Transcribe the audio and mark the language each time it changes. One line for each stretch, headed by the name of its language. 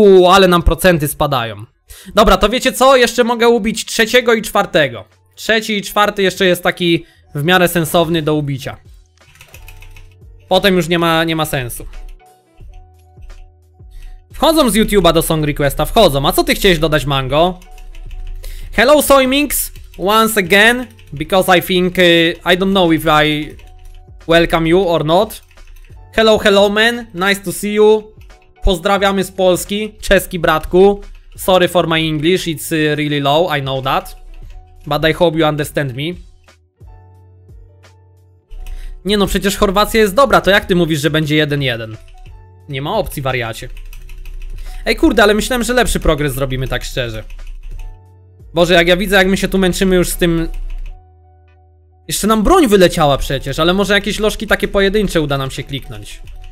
Polish: Ale nam procenty spadają. Dobra, to wiecie co? Jeszcze mogę ubić trzeciego i czwartego. Trzeci i czwarty jeszcze jest taki w miarę sensowny do ubicia. Potem już nie ma sensu. Wchodzą z YouTube'a do Song Requesta, wchodzą. A co ty chciałeś dodać, Mango?
English: Hello Soymix, once again, because I think, I don't know if I welcome you or not. Hello, hello man, nice to see you.
Polish: Pozdrawiamy z Polski, czeski bratku.
English: Sorry for my English, it's really low, I know that. But I hope you understand me.
Polish: Nie no, przecież Chorwacja jest dobra, to jak ty mówisz, że będzie 1-1? Nie ma opcji, wariacie. Ej kurde, ale myślałem, że lepszy progres zrobimy, tak szczerze. Boże, jak ja widzę, jak my się tu męczymy już z tym... Jeszcze nam broń wyleciała przecież, ale może jakieś lożki takie pojedyncze uda nam się kliknąć.